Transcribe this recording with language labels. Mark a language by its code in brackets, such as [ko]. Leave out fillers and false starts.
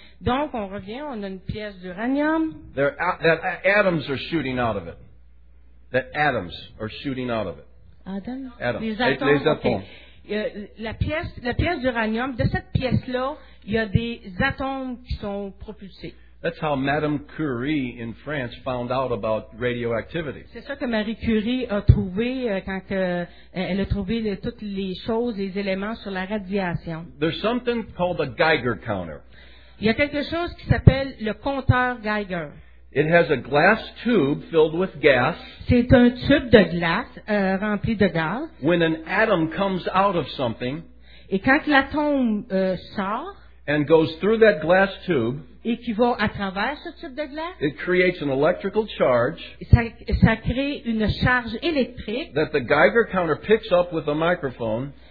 [fr] Donc on revient, on a une pièce d'uranium. [en] Atoms are shooting out of it. That atoms are shooting out of it. [fr] Les atomes. Okay. La pièce d'uranium, de cette pièce-là, il y a des atomes qui sont propulsés. [en] That's how Madame Curie in France found out about radioactivity. [fr] C'est ça que Marie Curie a trouvé quand elle a trouvé toutes les choses, les éléments sur la radiation. [en] There's something called a Geiger counter. [fr] Il y a quelque chose qui s'appelle le compteur Geiger. [en] It has a glass tube filled with gas. [fr] C'est un tube de glace rempli de gaz. [en] When an atom comes out of something, [fr] et quand l'atome sort, [en] and goes through that glass tube, [fr] et qui va à travers ce tube de glace, [en] it creates an electrical charge. [fr] Ça crée une charge électrique. [en] That the Geiger counter picks up with a microphone.